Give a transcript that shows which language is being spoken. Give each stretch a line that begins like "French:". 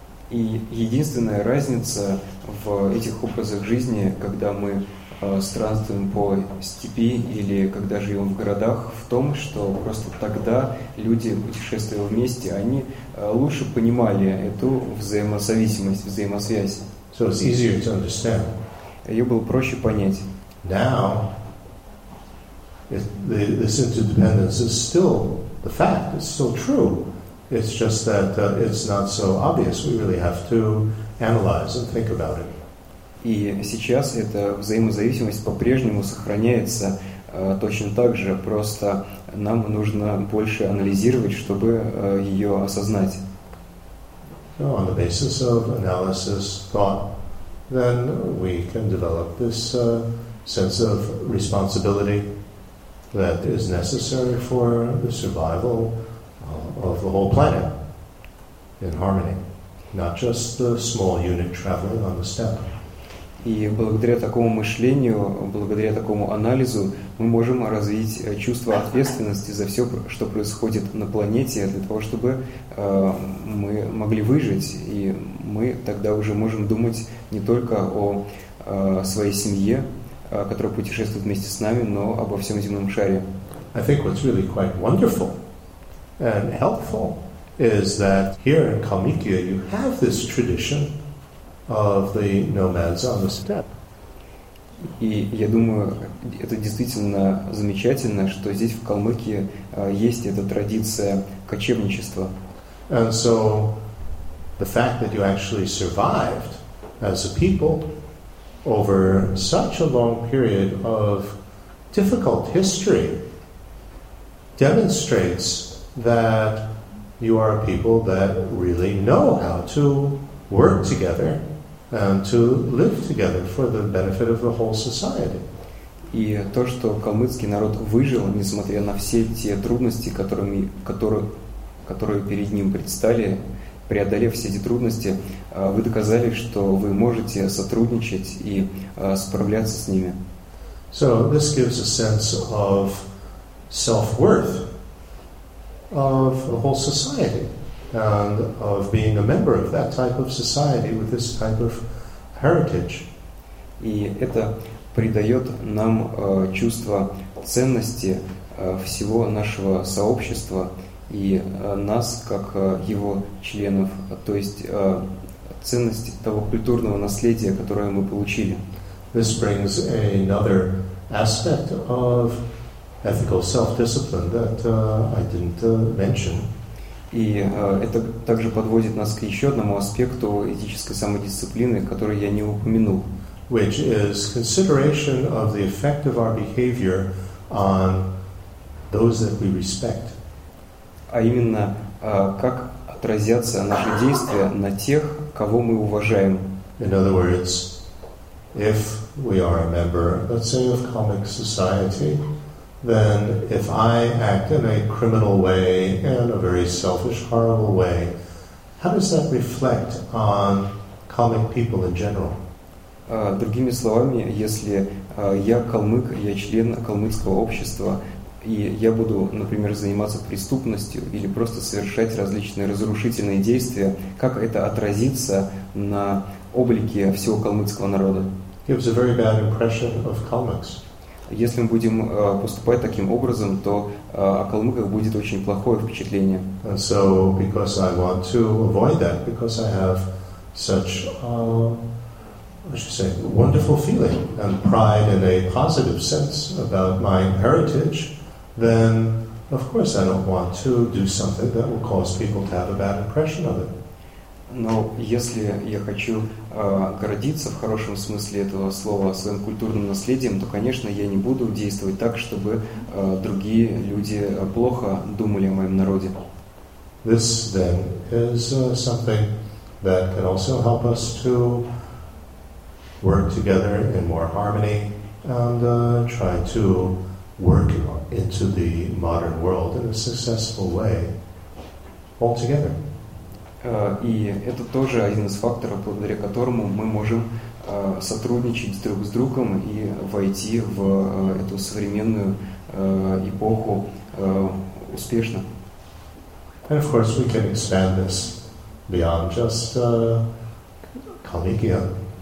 Russian: И единственная разница в этих образах жизни, когда мы странствуем по степи или когда живем в городах, в том, что просто тогда люди, путешествуя вместе, они лучше понимали эту взаимозависимость, взаимосвязь.
English: So it's easier to understand.
Russian: Ее было проще понять.
English: Now, this interdependence is still the fact, it's still true. It's just that it's not so obvious. We really have to analyze and think about it.
Russian: И сейчас эта взаимозависимость по-прежнему сохраняется точно так же, просто нам нужно больше анализировать, чтобы ее осознать.
English: So on the basis of analysis, thought, then we can develop this sense of responsibility that is necessary for the survival of the whole planet in harmony, not just the small unit traveling on the steppe.
Russian: И благодаря такому мышлению, благодаря такому анализу, мы можем развить чувство ответственности за все, что происходит на планете, для того, чтобы мы могли выжить. И мы тогда уже можем думать не только о своей семье, которая путешествует вместе с нами, но обо всем земном шаре.
English: I think what's really quite wonderful and helpful is that here in Kalmykia you have this tradition of the nomads on the steppe.
Russian: И я думаю, это действительно замечательно, что здесь в Калмыкии есть эта традиция кочевничества.
English: And so the fact that you actually survived as a people over such a long period of difficult history demonstrates that you are a people that really know how to work together and to live together for the benefit of the whole society.
Russian: И то, что калмыцкий народ выжил, несмотря на все те трудности, которые перед ним предстали, преодолев все эти трудности, вы доказали, что вы можете сотрудничать и справляться с ними.
English: So this gives a sense of self-worth of the whole society and of being a member of that type of society with this type of heritage.
Russian: И это придает нам чувство ценности всего нашего сообщества и нас как его членов, то есть ценности того культурного наследия, которое мы получили.
English: This brings another aspect of ethical self-discipline that I didn't mention.
Russian: И это также подводит нас к еще одному аспекту этической самодисциплины, который я не упомянул.
English: Which is consideration of the effect of our behavior on those that we respect.
Russian: А именно, как отразятся наши действия на тех, кого мы уважаем.
English: In other words, if we are a member, let's say, of comic society, then if I act in a criminal way, in a very selfish, horrible way, how does that reflect on comic people in general?
Russian: Другими словами, если я калмык, я член калмыцкого общества, и я буду, например, заниматься преступностью или просто совершать различные разрушительные действия, как это отразится на облике всего калмыцкого народа?
English: Gives a very bad impression of comics.
Russian: Если мы будем поступать таким образом, то о калмыках будет очень плохое впечатление.
English: And so, because I want to avoid that, because I have such, I should say, wonderful feeling and pride in a positive sense about my heritage, then, of course, I don't want to do something that will cause people to have a bad impression of it.
Russian: Но если я хочу гордиться в хорошем смысле этого слова своим культурным наследием, то, конечно, я не буду действовать так, чтобы другие люди плохо думали о моем народе.
English: This, then, is something that can also help us to work together in more harmony and try to work into the modern world in a successful way altogether.
Russian: И это тоже один из факторов, благодаря которому мы можем сотрудничать друг с другом и войти в эту современную эпоху успешно.
English: And of course we can expand this beyond just Kalmykia.